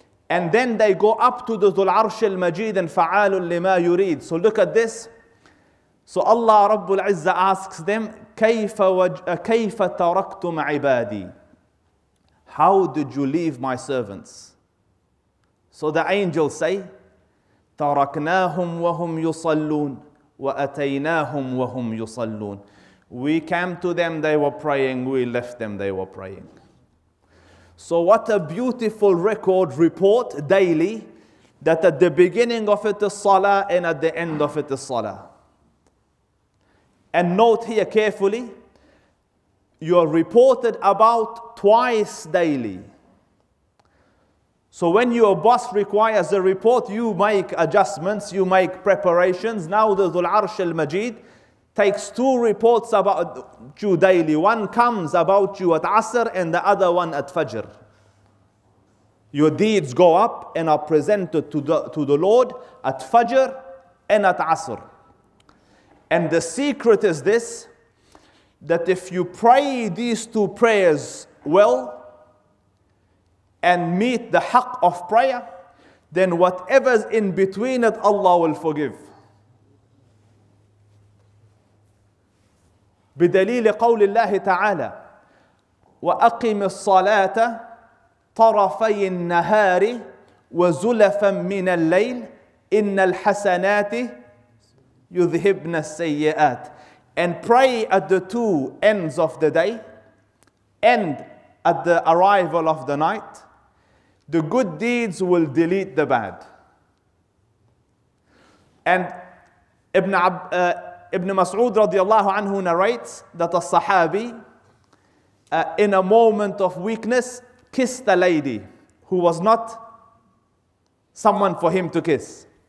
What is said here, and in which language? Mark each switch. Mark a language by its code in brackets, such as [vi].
[en] And then they go up to the Dhul Arsh al-Majid and [ar] فَعَالٌ لِمَا يُرِيد. [en] So look at this. So Allah Rabbul Izza asks them, [ar] كَيْفَ تَرَكْتُمْ عِبَادِي. [en] How did you leave my servants? So the angels say, [ar] تَرَكْنَاهُمْ وَهُمْ يُصَلُّونَ وَأَتَيْنَاهُمْ وَهُمْ يُصَلُّونَ. [en] We came to them, they were praying. We left them, they were praying. So what a beautiful record report daily, that at the beginning of it is salah, and at the end of it is salah. And note here carefully, you are reported about twice daily. So when your boss requires a report, you make adjustments, you make preparations. Now the Dhul Arsh al-Majid takes two reports about you daily. One comes about you at Asr, and the other one at Fajr. Your deeds go up and are presented to the Lord at Fajr and at Asr. And the secret is this, that if you pray these two prayers well and meet the haqq of prayer, then whatever's in between it, Allah will forgive. [ar] بدليل قول الله تعالى وأقم الصلاة طرفي النهار وزلفا من الليل إن الحسنات يذهبن السيئات. [en] And pray at the two ends of the day and at the arrival of the night, the good deeds will delete the bad. And Ibn Mas'ud radiallahu anhu narrates that a Sahabi, in a moment of weakness, kissed a lady who was not someone for him to kiss.